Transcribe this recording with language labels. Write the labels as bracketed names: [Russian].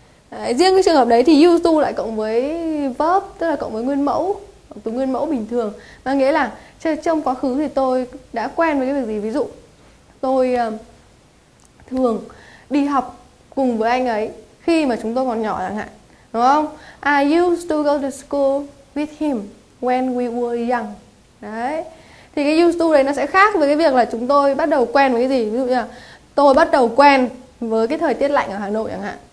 [Vietnamese] Đấy, riêng cái trường hợp đấy thì used to lại cộng với verb, tức là cộng với nguyên mẫu, từ nguyên mẫu bình thường, mang nghĩa là trong quá khứ thì tôi đã quen với cái việc gì. Ví dụ tôi thường đi học cùng với anh ấy khi mà chúng tôi còn nhỏ chẳng hạn, đúng không? [English] I used to go to school with him when we were young. [Vietnamese] Đấy. Thì cái used to đấy nó sẽ khác với cái việc là chúng tôi bắt đầu quen với cái gì. Ví dụ như là tôi bắt đầu quen với cái thời tiết lạnh ở Hà Nội chẳng hạn.